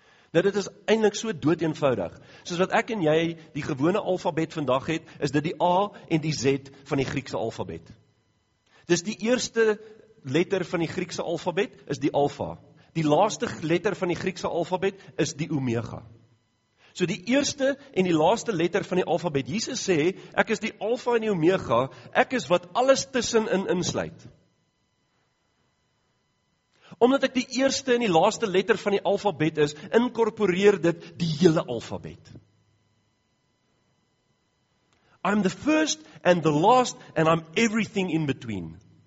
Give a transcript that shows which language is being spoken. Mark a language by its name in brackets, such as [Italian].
[Afrikaans] Nou dit is eindelijk so dood eenvoudig. Soos wat ek en jy die gewone alfabet vandag het, is dit die A en die Z van die Griekse alfabet. Dis die eerste letter van die Griekse alfabet is die alfa. Die laaste letter van die Griekse alfabet is die omega. So die eerste en die laaste letter van die alfabet. Jesus sê, ek is die alfa en die omega, ek is wat alles tussenin insluit. Omdat ek die eerste en die laaste letter van die alfabet is, incorporeer dit die hele alfabet. [English] I'm the first and the last and I'm everything in between.